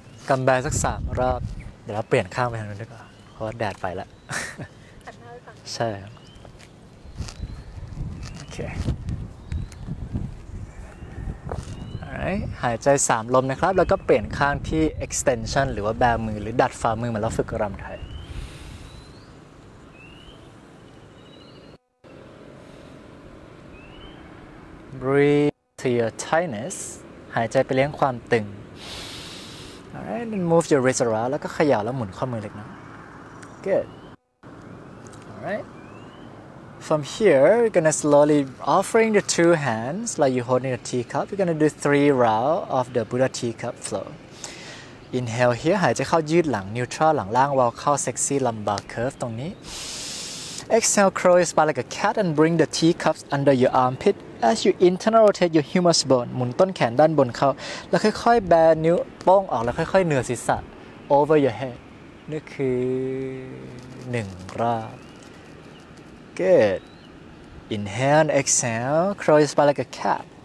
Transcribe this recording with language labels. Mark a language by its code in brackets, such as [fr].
[th] กำแบสัก3รอบเดี๋ยวเราเปลี่ยนข้างไปทางนั้นดีกว่าเพราะว่าแดดไปแล้ว ใช่โอเค alright หายใจ3ลมนะครับแล้วก็เปลี่ยนข้างที่ extension หรือว่าแบมือหรือดัดฝ่ามือเหมือนเราฝึกรำไทย [en] Breathe to your tightness. [th] หายใจไปเลี้ยงความตึง [en] Alright, then move your wrist around. [th] แล้วก็ขย่าแล้วหมุนข้อมือเล็กน้อย [en] Good. Alright. From here, we're gonna slowly offering the two hands like you holding a teacup. We're gonna do 3 rounds of the Buddha teacup flow. Inhale here. [th] หายใจเข้ายืดหลัง neutral หลังล่างวาวเข้า sexy lumbar curve ตรงนี้ [en] Exhale, curl your spine like a cat and bring the teacups under your armpit. As you internal rotate your humerus bone, [th] หมุนต้นแขนด้านบนเข้าแล้วค่อยๆแบนนิ้วโป้งออกแล้วค่อยๆเหนือศีรษะ [en] over your head [th] นี่คือ1รอบ [en] Good Inhale and exhale, curl your spine like a cat